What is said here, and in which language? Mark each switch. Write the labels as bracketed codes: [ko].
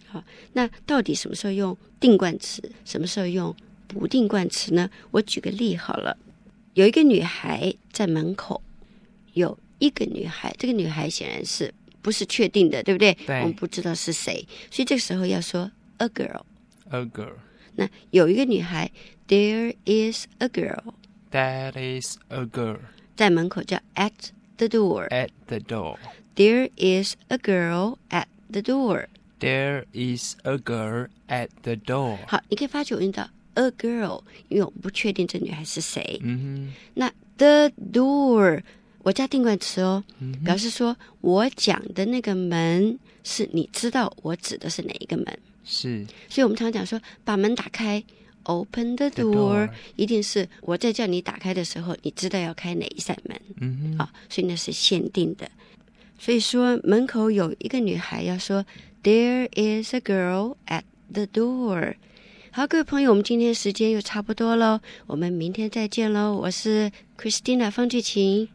[zh] 好，那到底什么时候用定冠词，什么时候用不定冠词呢？我举个例好了，有一个女孩在门口，有一个女孩，这个女孩显然是不是确定的，对不对？对，我们不知道是谁，所以这个时候要说 a girl， [en] a girl。 [zh] 那有一个女孩， [en] there is a girl， that is a girl， [zh] 在门口叫 [en] at the door， at the door， there is a girl at the door， there is a girl at the door。 [zh] 好，你可以发觉我用到A girl， 因为我不确定这女孩是谁。嗯哼，那 the door 我加定冠词哦，嗯，表示说我讲的那个门是你知道我指的是哪一个门。是，所以我们常讲说把门打开 [en] open the door， [zh] 一定是我在叫你打开的时候你知道要开哪一扇门。嗯哼，啊，所以那是限定的。所以说门口有一个女孩要说 [en] there is a girl at the door。 [zh] 好，各位朋友，我们今天时间又差不多了，我们明天再见喽。我是 Christina 方俊琴，